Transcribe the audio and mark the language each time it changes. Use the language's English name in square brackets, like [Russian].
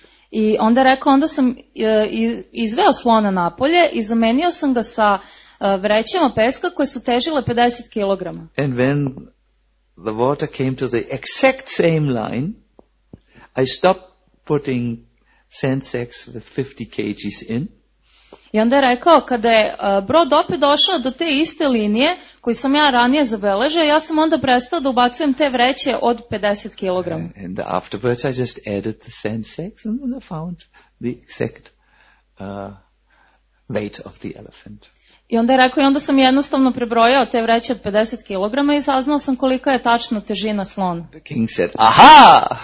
[Serbian] I onda rekao, onda sam izveo slona napolje i zamenio sam ga sa vrećama peska koje su težile 50 kilograma. [English] And when the water came to the exact same line, I stopped putting sand sacks with 50 kgs in. [Serbian] I onda je rekao, kada je brod opet došao do te iste linije koju sam ja ranije zabeležio, ja sam onda prestao da ubacujem te vreće od 50 kilograma. [English] And afterwards I just added the sand sacks and then I found the exact weight of the elephant. [Serbian] I onda je rekao, i onda sam jednostavno prebrojao te vreće od 50 kilograma i saznao sam kolika je tačno težina slona. [English] The king said, aha!